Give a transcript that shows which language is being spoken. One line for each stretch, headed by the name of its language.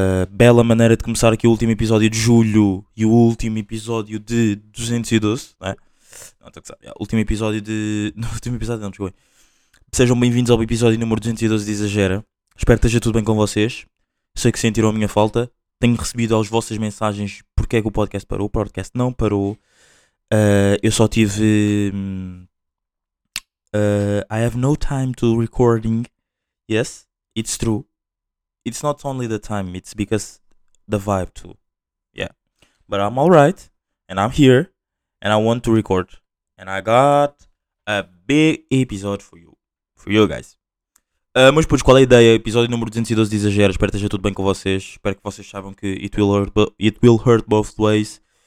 Portuguese: Bela maneira de começar aqui o último episódio de julho e o último episódio de 212, não é? Não, estou a pensar. Último episódio, desculpa. Sejam bem-vindos ao episódio número 212 de Exagera. Espero que esteja tudo bem com vocês. Sei que sentiram a minha falta. Tenho recebido as vossas mensagens porque é que o podcast parou. O podcast não parou. Eu só tive.
English: I have no time to recording. Yes, it's true. It's not only the time, it's because the vibe too. Yeah. But I'm alright. And I'm here. And I want to record. And I got a big episode for you. For you guys.
Portuguese: Mas depois, qual é a ideia? Episódio número 212 de Exagera. Espero que esteja tudo bem com vocês. Espero que vocês saibam que it will hurt both ways.